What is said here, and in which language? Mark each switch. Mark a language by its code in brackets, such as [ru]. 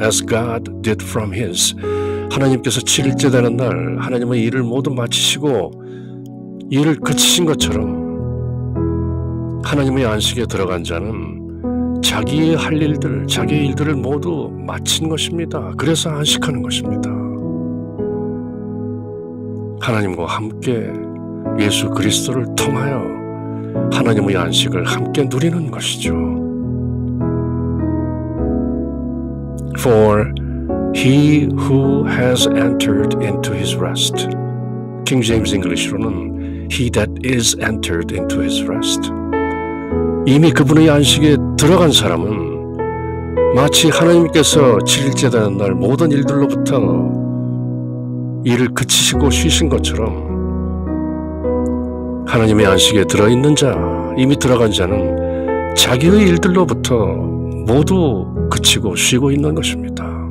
[en] As God did from his, [ko] 하나님께서 7일째 되는 날 하나님의 일을 모두 마치시고 일을 그치신 것처럼 하나님의 안식에 들어간 자는 자기의 할 일들, 자기의 일들을 모두 마친 것입니다. 그래서 안식하는 것입니다. 하나님과 함께 예수 그리스도를 통하여 하나님의 안식을 함께 누리는 것이죠. [en] For he who has entered into his rest. King James English [ko] 로는 [en] he that is entered into his rest. [ko] 이미 그분의 안식에 들어간 사람은 마치 하나님께서 7일째 되는 날 모든 일들로부터 일을 그치시고 쉬신 것처럼 하나님의 안식에 들어있는 자, 이미 들어간 자는 자기의 일들로부터 모두 그치고 쉬고 있는 것입니다.